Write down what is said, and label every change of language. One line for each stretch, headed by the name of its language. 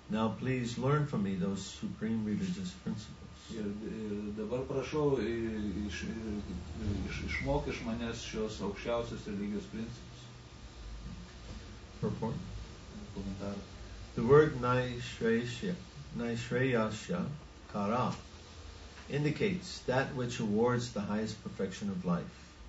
English: Now please learn from me those supreme religious principles.
Lithuanian: Ir dabar prašau išmok iš manęs šios aukščiausios religijos principus. Komentar.
English: The word Naishreyasya Kara indicates that which awards the highest perfection of life.